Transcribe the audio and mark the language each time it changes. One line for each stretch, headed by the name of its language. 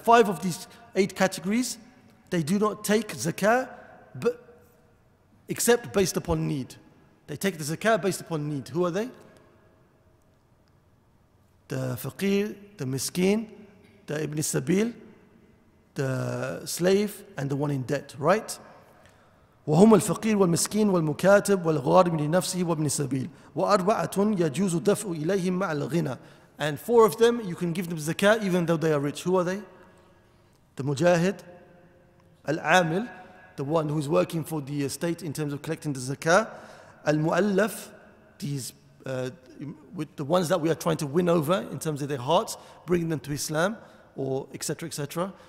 English: Five of these eight categories, they do not take zakah, but except based upon need. They take the zakah based upon need. Who are they? The faqir, the miskin, the ibn sabil, the slave, and the one in debt, right?
Arabic: وهم الفقير والمسكين والمكاتب والغارم لنفسه وابن سبيل وأربعة يجوز دفع إليهم مع الغنى.
English: And four of them, you can give them zakah even though they are rich. Who are they? The mujahid, al-amil, the one who is working for the state in terms of collecting the zakah, al-mu'allaf, these with the ones that we are trying to win over in terms of their hearts, bringing them to Islam, or etc. etc.